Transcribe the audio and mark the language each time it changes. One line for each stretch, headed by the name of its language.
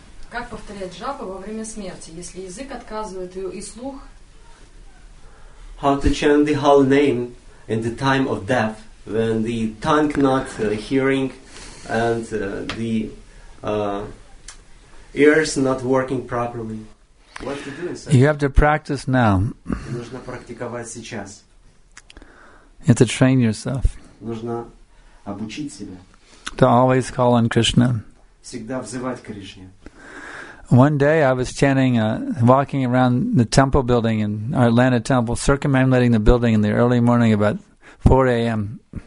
Russian: Как повторять джапу во время смерти, если язык отказывает и слух?
English: How to chant the holy name in the time of death when the tongue not hearing and the ears not working properly? What to do inside? You have to practice now.
Russian: Нужно практиковать сейчас.
English: You have to train yourself.
Russian: Нужно обучить себя.
English: To always call on Krishna.
Russian: Всегда взывать Кришне.
English: One day I was chanting, walking around the temple building in our Atlanta temple, circumambulating the building in the early morning about 4 a.m.